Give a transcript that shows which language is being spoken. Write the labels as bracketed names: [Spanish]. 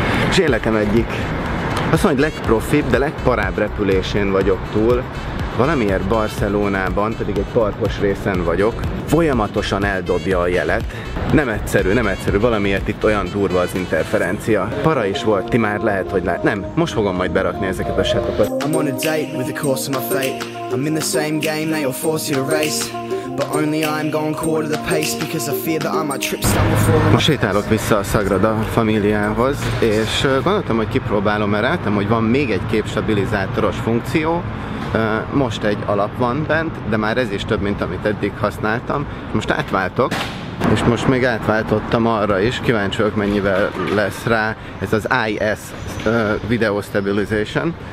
[Hungarian] És életem egyik. Azt mondja, hogy legprofibb, de legparább repülésén vagyok túl. Valamiért Barcelonában, pedig egy parkos részen vagyok, folyamatosan eldobja a jelet. Nem egyszerű, nem egyszerű. Valamiért itt olyan durva az interferencia. Para is volt, ti már lehet, hogy lehet. Nem, most fogom majd berakni ezeket a setokat. [English] I'm on a date with the course of my fate. I'm in the same game, they'll force you to race. But only I'm going quarter the pace because I fear that I might trip stumble fall. [Hungarian] Most sétálok vissza a Sagrada Familiához, és gondoltam, hogy kipróbálom, mert láttam, hogy van még egy képstabilizátoros funkció. Most egy alap van bent, de már ez is több, mint amit eddig használtam. Most átváltok, és most még átváltottam arra is, kíváncsi vagyok, mennyivel lesz rá ez az IS Video Stabilization.